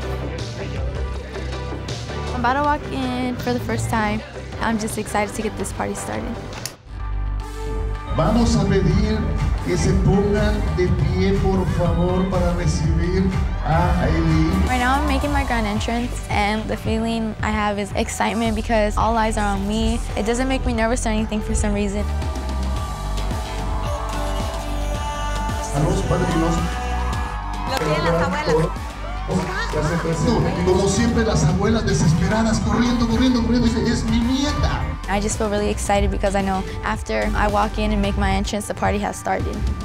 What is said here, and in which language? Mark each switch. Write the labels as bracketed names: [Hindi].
[English] I'm about to walk in for the first time. I'm just excited to get this party started. [Spanish] Vamos a pedir que se pongan de pie, por favor, para recibir a Eileen. [English] Right now I'm making my grand entrance, and the feeling I have is excitement because all eyes are on me. It doesn't make me nervous or anything for some reason. [Spanish] Saludos, padrinos. Lo tienen las abuelas. [English] I just feel really excited because I know after I walk in and make my entrance, the party has started.